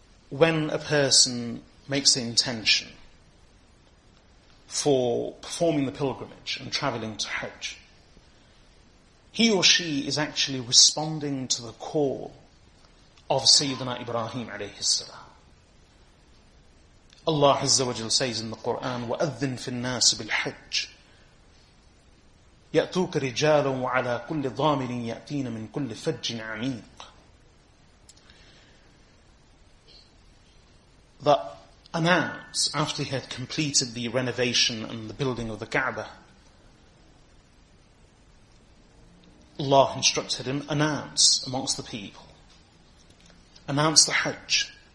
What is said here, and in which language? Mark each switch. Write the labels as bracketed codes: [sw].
[en] When a person makes the intention for performing the pilgrimage and traveling to Hajj, he or she is actually responding to the call of Sayyidina Ibrahim alayhi salam. Allah Azza wa Jalla says in the Quran, [ar] وَأَذِّنْ فِي النَّاسِ بِالْحَجِّ يَأْتُوكَ رِجَالًا وَعَلَىٰ كُلِّ ضَامِرٍ يَأْتِينَ مِنْ كُلِّ فَجٍّ عَمِيقٍ. [en] That announce, after he had completed the renovation and the building of the Kaaba, Allah instructed him, announce amongst the people, announce the Hajj.